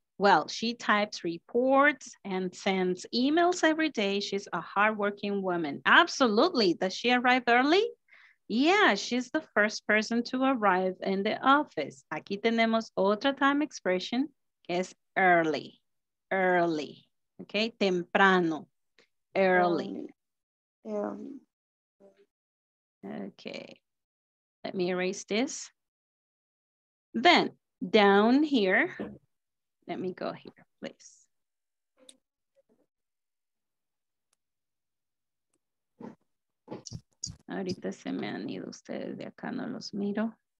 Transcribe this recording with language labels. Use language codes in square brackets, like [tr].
[en] Well, she types reports and sends emails every day. She's a hardworking woman. Absolutely. Does she arrive early? Yeah, she's the first person to arrive in the office. [es] Aquí tenemos otra [en] time expression, [es] que es early. [en] Early. Okay, temprano. Early. Okay, let me erase this. Then down here, let me go here, please. [es] Ahorita se me han ido ustedes de acá, no los miro.